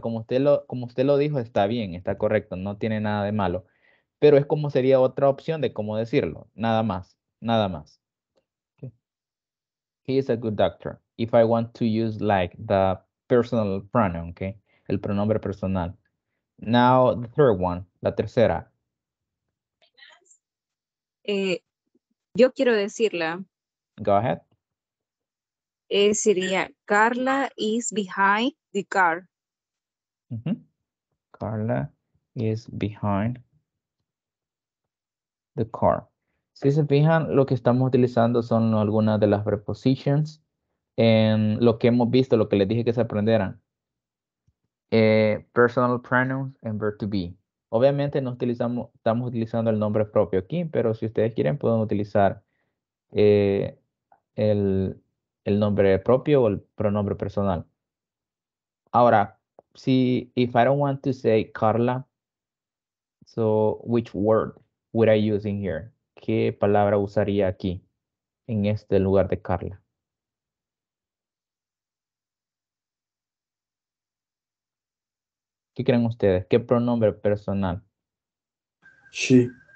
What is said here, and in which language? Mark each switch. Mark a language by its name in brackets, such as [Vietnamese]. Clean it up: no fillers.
[Spanish] Como usted lo dijo, está bien, está correcto, no tiene nada de malo. Pero es como sería otra opción de cómo decirlo. Nada más. Nada más. [English] Okay. He is a good doctor. If I want to use like the personal pronoun. Okay. [Spanish] El pronombre personal. [English] Now the third one. [Spanish] La tercera. Yo quiero decirla. [English] Go ahead. [Spanish] Sería [English] Carla is behind the car. Mm-hmm. Carla is behind the car. [Spanish] Si se fijan, lo que estamos utilizando son algunas de las prepositions en lo que hemos visto, lo que les dije que se aprendieran. [English] Personal pronouns and verb to be. [Spanish] Obviamente estamos utilizando el nombre propio aquí, pero si ustedes quieren pueden utilizar el nombre propio o el pronombre personal. [English] Ahora, if I don't want to say Carla, so which word would I use in here? [Spanish] ¿Qué palabra usaría aquí, en este lugar de Carla? ¿Qué creen ustedes? ¿Qué pronombre personal? [English] She.